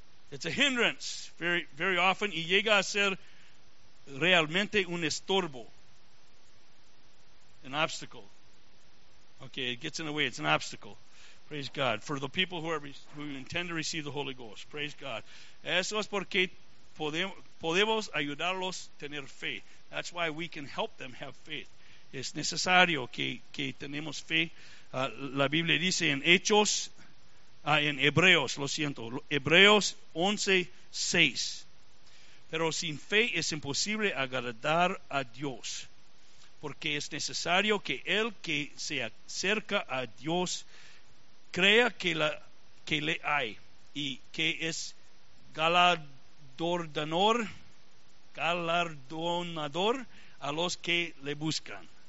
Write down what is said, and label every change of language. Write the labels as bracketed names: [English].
[English] It's a hindrance very, very often [Spanish] y llega a ser realmente un estorbo. [English] An obstacle. Okay, it gets in the way. It's an obstacle. Praise God. For the people who intend to receive the Holy Ghost. Praise God. [Spanish] Eso es porque podemos ayudarlos a tener fe. [English] That's why we can help them have faith. [Spanish] Es necesario que tenemos fe. La Biblia dice en Hechos, en Hebreos, lo siento, Hebreos 11:6. Pero sin fe es imposible agradar a Dios, porque es necesario que el que se acerca a Dios crea que le hay y que es galardonador a los que le buscan.